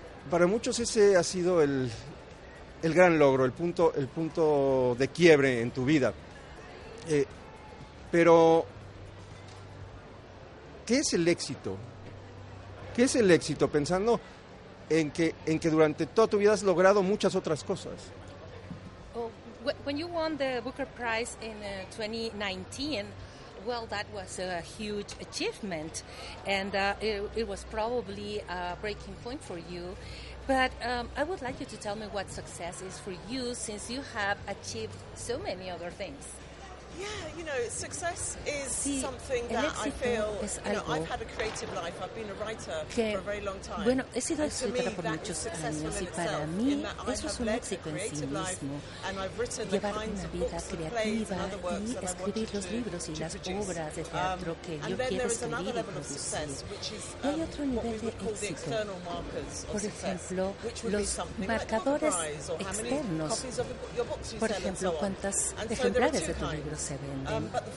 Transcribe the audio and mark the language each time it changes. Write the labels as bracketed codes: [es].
[es] Para muchos ese ha sido el gran logro, el punto de quiebre en tu vida. Pero, ¿qué es el éxito? ¿Qué es el éxito pensando en que durante toda tu vida has logrado muchas otras cosas? [en] When you won the Booker Prize in 2019, well, that was a huge achievement, and it was probably a breaking point for you. But I would like you to tell me what success is for you, since you have achieved so many other things. Yeah, you know, success is something that I feel, you know, I've had a creative life. I've been a writer for a very long time. [es] Bueno, he sido escritora por muchos años, y para mí eso es un éxito en sí mismo. Llevar una vida creativa y escribir los libros y las obras de teatro que yo quiero escribir y producir. Y hay otro nivel de éxito, por ejemplo, los marcadores externos, por ejemplo, cuántos ejemplares de tu libro se venden.